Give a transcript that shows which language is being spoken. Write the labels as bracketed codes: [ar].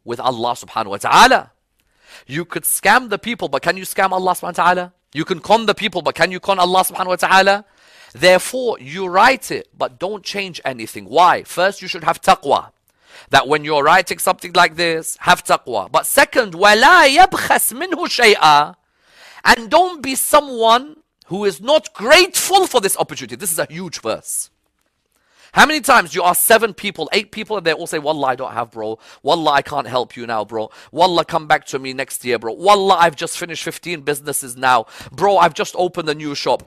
[en] With Allah subhanahu wa ta'ala. You could scam the people, but can you scam Allah subhanahu wa ta'ala? You can con the people, but can you con Allah subhanahu wa ta'ala? Therefore, you write it, but don't change anything. Why? First, you should have taqwa. That when you're writing something like this, have taqwa. But second, [ar] وَلَا يَبْخَسْ مِنْهُ شَيْئًا. [en] And don't be someone who is not grateful for this opportunity. This is a huge verse. How many times you ask seven people, eight people, and they all say, Wallah, I don't have, bro. Wallah, I can't help you now, bro. Wallah, come back to me next year, bro. Wallah, I've just finished 15 businesses now. Bro, I've just opened a new shop.